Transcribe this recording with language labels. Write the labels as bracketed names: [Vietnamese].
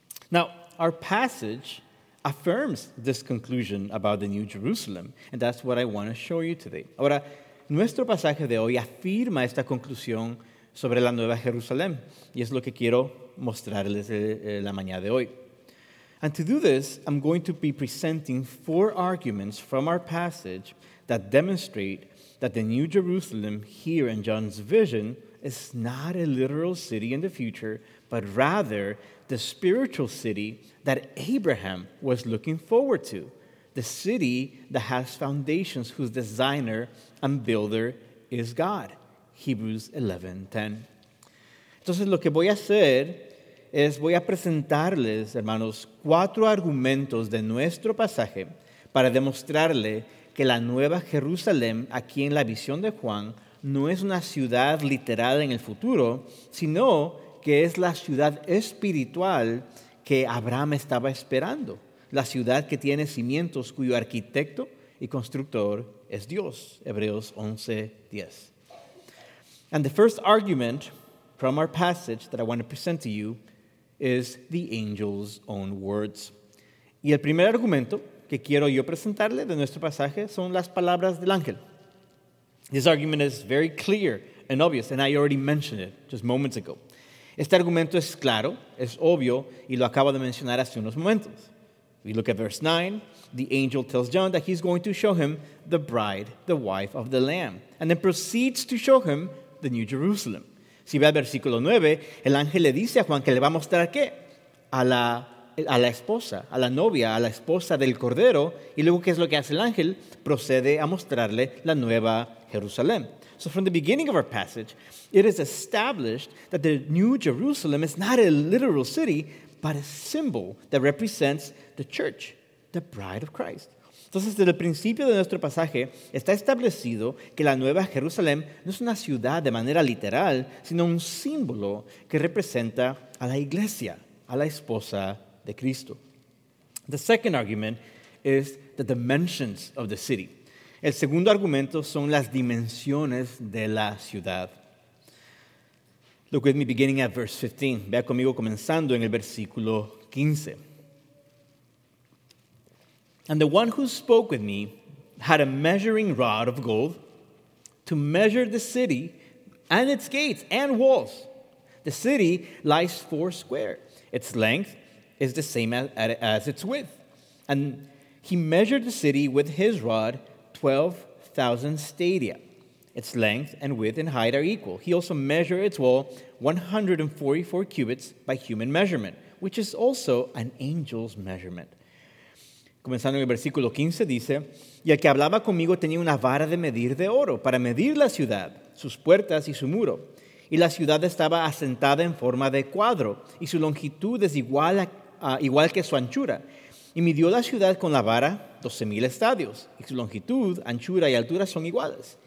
[English] Now, our passage affirms this conclusion about the New Jerusalem, and that's what I want to show you today. [Spanish] Ahora, nuestro pasaje de hoy afirma esta conclusión sobre la Nueva Jerusalén, y es lo que quiero mostrarles la mañana de hoy. [English] And to do this, I'm going to be presenting four arguments from our passage that demonstrate that the New Jerusalem here in John's vision is not a literal city in the future, but rather the spiritual city that Abraham was looking forward to, the city that has foundations whose designer and builder is God. Hebrews 11:10. [Spanish] Entonces, lo que voy a hacer es voy a presentarles, hermanos, cuatro argumentos de nuestro pasaje para demostrarle que la Nueva Jerusalén, aquí en la visión de Juan, no es una ciudad literal en el futuro, sino que es la ciudad espiritual que Abraham estaba esperando, la ciudad que tiene cimientos cuyo arquitecto y constructor es Dios. Hebreos 11:10. [English] And the first argument from our passage that I want to present to you is the angel's own words. [Spanish] Y el primer argumento que quiero yo presentarle de nuestro pasaje son las palabras del ángel. [English] This argument is very clear and obvious, and I already mentioned it just moments ago. [Spanish] Este argumento es claro, es obvio, y lo acabo de mencionar hace unos momentos. [English] We look at verse 9. The angel tells John that he's going to show him the bride, the wife of the Lamb, and then proceeds to show him the New Jerusalem. [Spanish] Si ve al versículo 9, el ángel le dice a Juan que le va a mostrar ¿qué? A la esposa, a la novia, a la esposa del Cordero. Y luego, ¿qué es lo que hace el ángel? Procede a mostrarle la Nueva Jerusalén. [English] So from the beginning of our passage, it is established that the New Jerusalem is not a literal city, but a symbol that represents the church, the bride of Christ. [Spanish] Entonces, desde el principio de nuestro pasaje, está establecido que la Nueva Jerusalén no es una ciudad de manera literal, sino un símbolo que representa a la iglesia, a la esposa de Cristo. [English] The second argument is the dimensions of the city. [Spanish] El segundo argumento son las dimensiones de la ciudad. [English] Look with me beginning at verse 15. [Spanish] Vea conmigo comenzando en el versículo 15. [English] And the one who spoke with me had a measuring rod of gold to measure the city and its gates and walls. The city lies four square. Its length is the same as its width. And he measured the city with his rod 12,000 stadia. Its length and width and height are equal. He also measured its wall 144 cubits by human measurement, which is also an angel's measurement. [Spanish] Comenzando en el versículo 15, dice, y el que hablaba conmigo tenía una vara de medir de oro para medir la ciudad, sus puertas y su muro. Y la ciudad estaba asentada en forma de cuadro, y su longitud es igual que su anchura. Y midió la ciudad con la vara 12,000 estadios, y su longitud, anchura y altura son iguales.